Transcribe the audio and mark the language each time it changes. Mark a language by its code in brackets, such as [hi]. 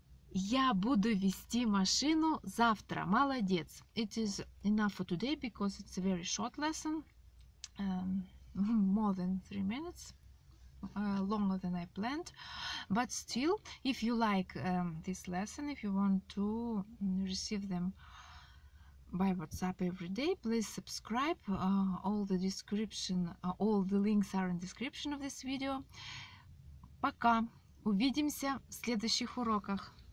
[ru] Я буду вести машину завтра. Молодец. [en] It is enough for today because it's a very short lesson. More than 3 minutes. Longer than I planned. But still, if you like this lesson, if you want to receive them by WhatsApp every day. Please subscribe. All the description, all the links are in description of this video. [ru] Пока! Увидимся в следующих уроках!